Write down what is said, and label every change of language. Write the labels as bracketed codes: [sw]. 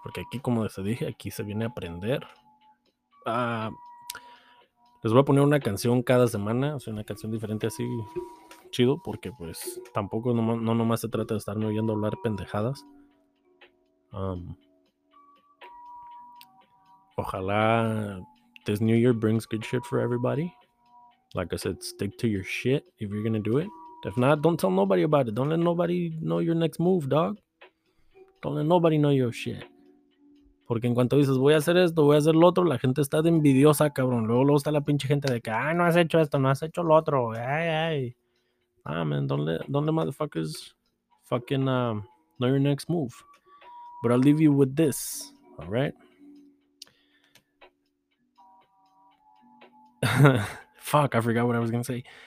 [es] Porque aquí, como les dije, aquí se viene a aprender. Les voy a poner una canción cada semana. O sea, una canción diferente así. Chido. Porque pues tampoco nomás se trata de estarme oyendo hablar pendejadas. Ojalá [en] this new year brings good shit for everybody. Like I said, stick to your shit if you're gonna do it. If not, don't tell nobody about it. Don't let nobody know your next move, dog. Don't let nobody know your shit. [es] Porque en cuanto dices, voy a hacer esto, voy a hacer lo otro, la gente está de envidiosa, cabrón. Luego está la pinche gente de que, ay, no has hecho esto, no has hecho lo otro. Ay. [en] Ah, man, don't let motherfuckers fucking know your next move. But I'll leave you with this, all right? Fuck, I forgot what I was going to say.